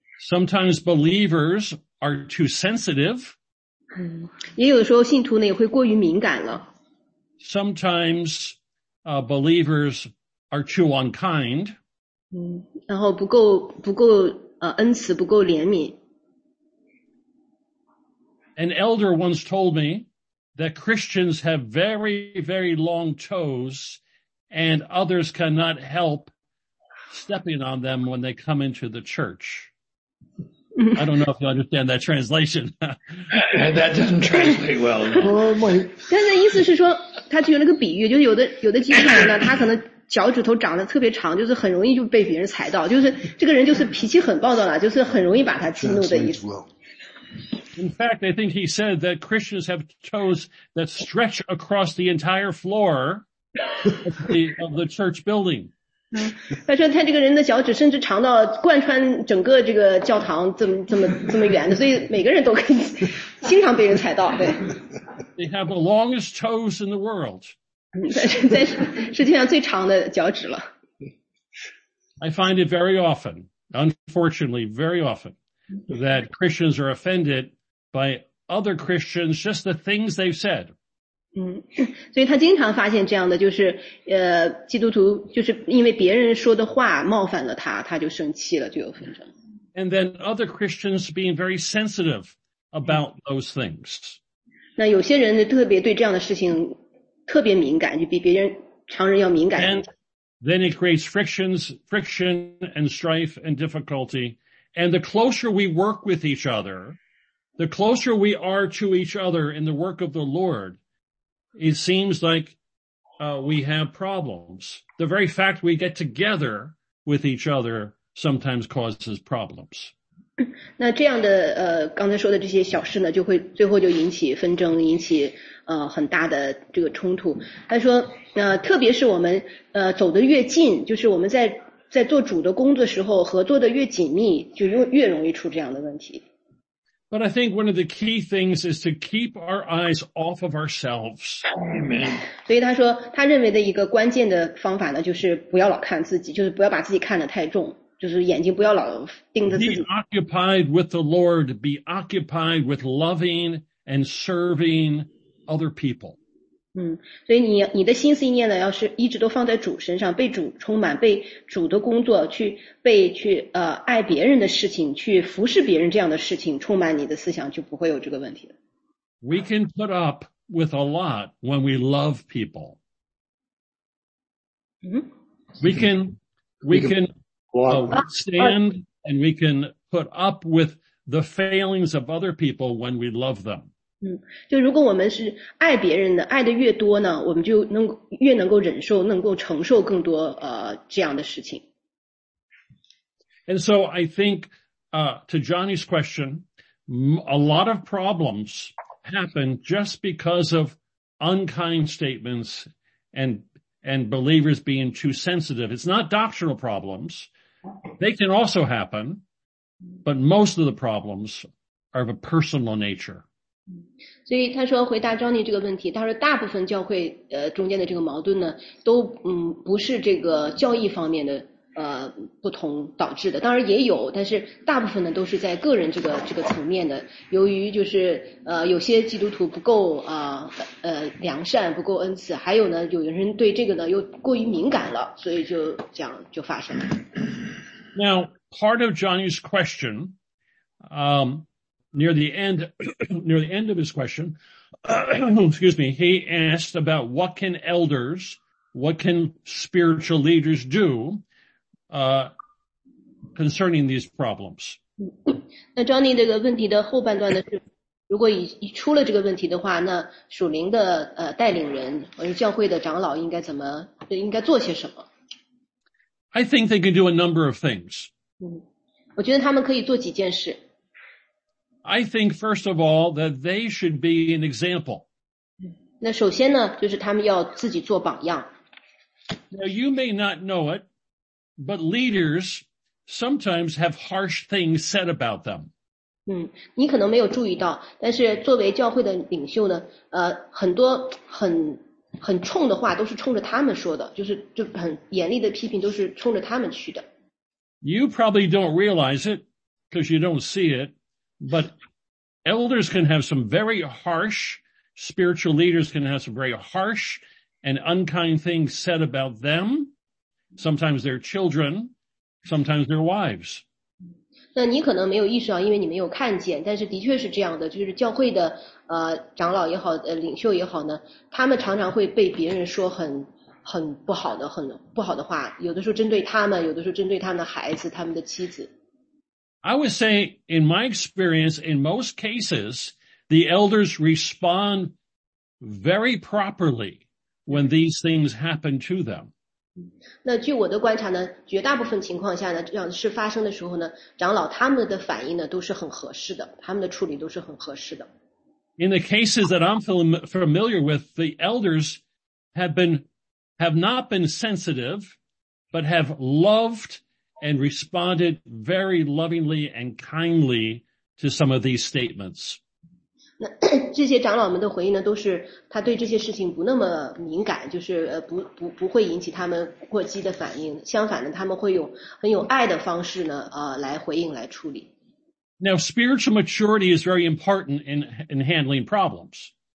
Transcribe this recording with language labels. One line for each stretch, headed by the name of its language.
English: Sometimes believers are too sensitive.
Chinese: 也有的时候信徒呢也会过于敏感了。
English: Sometimes believers are too unkind.
Chinese: 然后不够恩慈，不够怜悯。
English: An elder once told me that Christians have very, very long toes and others cannot help stepping on them when they come into the church. I don't know if you understand that translation. That doesn't translate well.
Chinese: 但是意思是说他举了个比喻，就是有的基督徒呢，他可能脚趾头长得特别长，就是很容易就被别人踩到，就是这个人就是脾气很暴躁了，就是很容易把他激怒的意思。
English: In fact, I think he said that Christians have toes that stretch across the entire floor of the church building.
Chinese: 他说他这个人的脚趾甚至长到贯穿整个这个教堂这么远的，所以每个人都可以经常被人踩到。对。
English: They have the longest toes in the world.
Chinese: 在世界上最长的脚趾了。
English: I find it very often, unfortunately, very often. That Christians are offended by other Christians, just the things they've said.
Chinese: 所以他经常发现这样的，就是基督徒就是因为别人说的话冒犯了他，他就生气了，就有纷争。
English: And then other Christians being very sensitive about those things.
Chinese: 那有些人特别对这样的事情特别敏感，就比别人常人要敏感。
English: And then it creates friction and strife and difficulty. And the closer we work with each other, the closer we are to each other in the work of the Lord, it seems like, we have problems. The very fact we get together with each other sometimes causes problems.
Chinese: 那这样的刚才说的这些小事呢，就会最后就引起纷争，引起很大的这个冲突。他说，特别是我们走得越近，就是我们在做主的工作时候，合作的越紧密，就越容易出这样的问题。
English: But I think one of the key things is to keep our eyes off of ourselves. Amen.
Chinese: 所以他说，他认为的一个关键的方法呢，就是不要老看自己，就是不要把自己看得太重，就是眼睛不要老盯着自己。
English: Be occupied with the Lord. Be occupied with loving and serving other people.
Chinese: 所以你的心思意念呢，要是一直都放在主身上，被主充满，被主的工作去爱别人的事情，去服侍别人这样的事情充满你的思想，就不会有这个问题了。
English: We can put up with a lot when we love people. We can stand and we can put up with the failings of other people when we love them.
Chinese: 就如果我们是爱别人的，爱的越多呢，我们就越能够忍受，能够承受更多这样的事情。
English: And so I think, to Johnny's question, a lot of problems happen just because of unkind statements and believers being too sensitive. It's not doctrinal problems. They can also happen, but most of the problems are of a personal nature.
Chinese: 所以他说回答 Johnny 这个问题，他说大部分教会中间的这个矛盾呢，都不是这个教义方面的不同导致的，当然也有，但是大部分呢都是在个人这个层面的，由于就是有些基督徒不够良善，不够恩慈，还有呢有人对这个呢又过于敏感了，所以就这样就发生了。
English: Now part of Johnny's question, near the end of his question, excuse me, he asked about what can spiritual leaders do, concerning these problems.
Chinese: 那 Johnny 这个问题的后半段呢是，如果已出了这个问题的话，那属灵的带领人或者教会的长老应该怎么应该做些什么？
English: I think they can do a number of things.
Chinese: 我觉得他们可以做几件事。
English: I think first of all that they should be an example.
Chinese: 那首先呢，就是他们要自己做榜样。
English: Now you may not know it, but leaders sometimes have harsh things said about them.
Chinese: 嗯，你可能没有注意到，但是作为教会的领袖呢，很多很冲的话都是冲着他们说的，就是就很严厉的批评都是冲着他们去的。
English: You probably don't realize it because you don't see it, but elders can have some very harsh, spiritual leaders can have some very harsh and unkind things said about them, sometimes their children, sometimes their wives.
Chinese: 那你可能没有意识到，因为你没有看见，但是的确是这样的，就是教会的长老也好，领袖也好呢，他们常常会被别人说很不好的，很不好的话，有的时候针对他们，有的时候针对他们的孩子，他们的妻子。
English: I would say, in my experience, in most cases, the elders respond very properly when these things happen to them.
Chinese: 那据我的观察呢，绝大部分情况下呢，这样的事发生的时候呢，长老他们的反应呢都是很合适的，他们的处理都是很合适的。
English: In the cases that I'm familiar with, the elders have not been sensitive, but have loved and responded very lovingly and kindly to some of these statements.
Chinese: 那这些长老们的回应呢，都是他对这些事情不那么敏感，就是不会引起他们过激的反应。相反呢，他们会用很有爱的方式呢，来回应来处理。
English: Now, spiritual maturity is very important in handling problems.